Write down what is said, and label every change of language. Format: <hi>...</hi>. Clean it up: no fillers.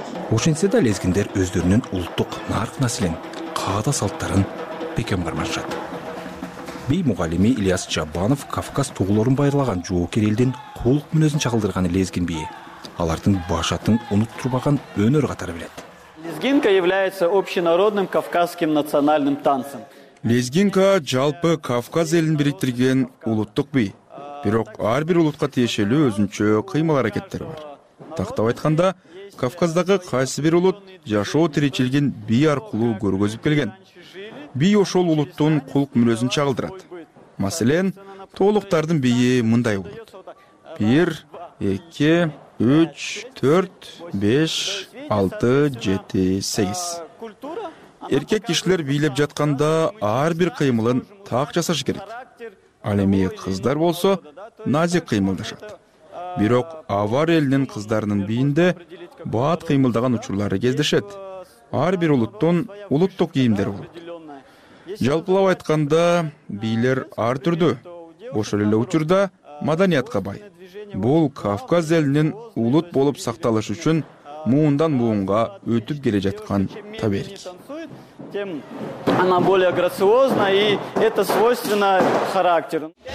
<ky>Ошентсе да лезгиндер өздөрүнүн улуттук нарк маселен, каада салттарын бекем кармашат. Бий мугалими Ильяс Чабанов Кавказ тууларын байырлаган жоокер элдин кулук мүнөзүн чагылдырган лезгин бийи. Алардын башатын унуттурбаган өнөр катары билет.</ky> <ru>Лезгинка является общенародным кавказским национальным танцем.</ru> <ky>Лезгинка жалпы Кавказ элин бириктирген улуттук бий. Бирок ар бир улутка тиешелүү өзүнчө кыймыл аракеттери бар. Тактап айтканда, Кавказдагы кайсы бир улут жашоо тиричилигин бий аркылуу көргөзүп келген. Бий ошол улуттун кулук мүнөзүн чагылдырат. Маселен, тоолуктардын бийи мындай болот. 1, 2, 3, 4, 5, 6, 7, 8. Эркек кишилер бийлеп жатканда ар бир кыймылын так жасаш керек. Ал эми кыздар болсо назик кыймылдашат. Бирок авар элинин кыздарынын бийинде баат кыймылдаган учурлары кездешет. Ар бир улуттун улуттук кийимдери болот. Жалпылап айтканда, бийлер ар түрдүү. Ошол эле учурда маданиятка бай. Бул Кавказ элинин улут болуп сакталышы үчүн муундан муунга өтүп келе жаткан таберик.</ky> <ru>Тем она более грациозна и это свойственно характеру.</ru>